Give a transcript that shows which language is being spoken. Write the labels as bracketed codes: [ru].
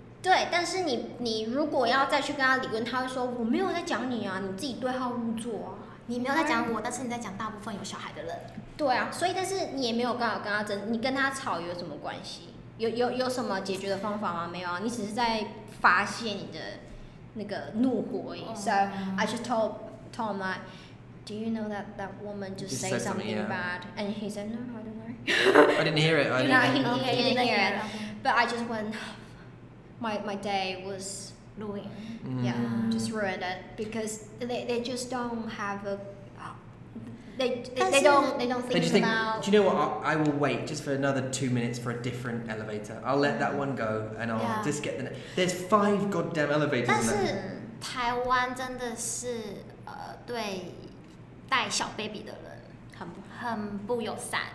[zh] 对，但是你如果要再去跟他理论，他会说我没有在讲你啊，你自己对号入座啊，你没有在讲我，但是你在讲大部分有小孩的人。对啊，所以但是你也没有办法跟他争，你跟他吵有什么关系？有什么解决的方法吗？没有啊，你只是在发泄你的那个怒火而已。 [en] So I just told him like, do you know that woman just say something bad? And he said no. I didn't hear it. I didn't hear it. But I just went. My day was ruined. Yeah, just ruined it because they just don't have a. They don't think, they just think about. Do you know what? I will wait just for another 2 minutes for a different elevator. I'll let that one go and I'll just get the next. There's 5 goddamn elevators. [zh] 但是台湾真的是对带小 baby 的人很不友善。